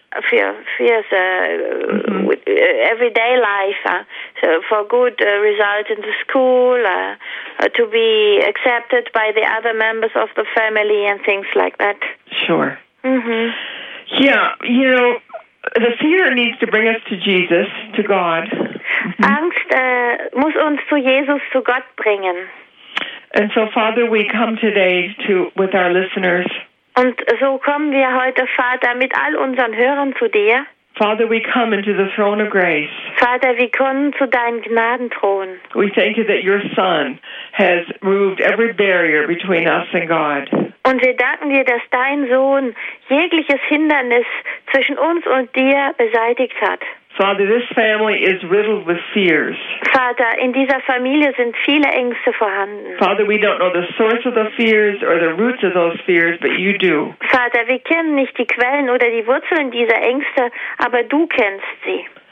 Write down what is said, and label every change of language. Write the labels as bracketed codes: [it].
[en] Fears, everyday life, so for good results in the school, to be accepted by the other members of the family and things like that. Sure. Mm-hmm. Yeah, you know, the fear needs to bring us to Jesus, to God. [de] Angst muss uns zu Jesus, zu Gott bringen. [en] And so, Father, we come today to with our listeners. [de] Und so kommen wir heute, Vater, mit all unseren Hörern zu dir. [en] Father, we come into the throne of grace. [de] Vater, wir kommen zu deinem Gnadenthron. [en] We thank you that your Son has removed every barrier between us and God. [de] Und wir danken dir, dass dein Sohn jegliches Hindernis zwischen uns und dir beseitigt hat. [en] Father, this family is riddled with fears. [de] Vater, in dieser Familie sind viele Ängste vorhanden. [en] Father, we don't know the source of the fears or the roots of those fears, but you do. [de] Vater, wir kennen nicht die Quellen oder die Wurzeln dieser Ängste, aber du kennst sie.